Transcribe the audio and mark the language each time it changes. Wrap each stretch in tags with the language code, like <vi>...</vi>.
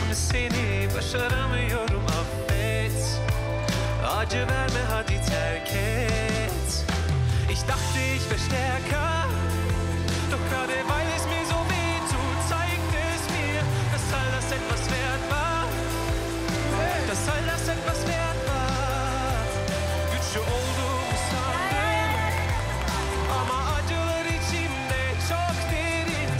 <tr>Seni başaramıyorum affet, acı verme hadi terk et.</tr> <de>Ich dachte ich wär stärker, doch gerade weil es mir so weh tut, zeigt es mir, dass all das etwas wert war. Dass all das etwas wert war.</de> <tr>Wünsche olduğumu sandım, ama acılar içimde çok derin.</tr>